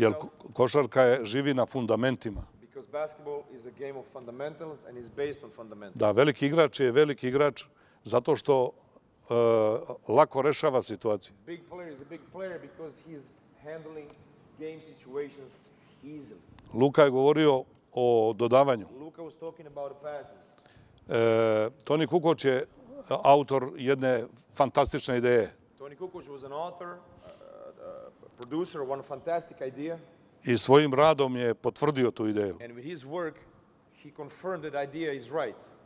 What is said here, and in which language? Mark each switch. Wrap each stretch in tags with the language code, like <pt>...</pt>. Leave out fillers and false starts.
<sr>Jel košarka je živi na fundamentima.</sr> <en>Because basketball is a game of fundamentals and is based on fundamentals.</en> <sr>Da, veliki igrač je veliki igrač zato što lako rešava situacije.</sr> <en>Big player is a big player because he's handling game situations easily.</en> <sr>Luka je govorio o dodavanju.</sr> <en>Luka was talking about passes.</en> <sr>Toni Kukoč je autor jedne fantastične ideje.</sr> <en>Toni Kukoč was an author, producer of one fantastic idea.</en> <sr>I svojim radom je potvrdio tu ideju.</sr> <en>And with his work, he confirmed that idea is right.</en>